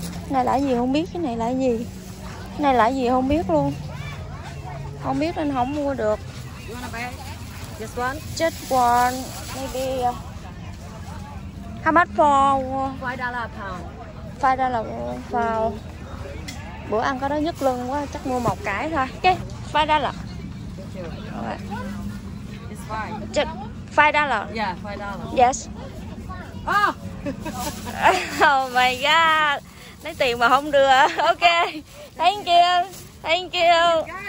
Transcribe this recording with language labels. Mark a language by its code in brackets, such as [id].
[vi] Này là gì không biết, cái này là gì, cái này là gì không biết luôn, không biết nên không mua được. [en] Just one, just one, maybe how much for $5 a pound. $5 a pound. [vi] Bữa ăn có đó nhức lưng quá, chắc mua một cái thôi. [en] Okay, $5. It's fine. Just $5. Yeah, $5. Yes. Oh. Oh my god. [vi] Lấy tiền mà không đưa. [en] Ok. Thank you. Thank you.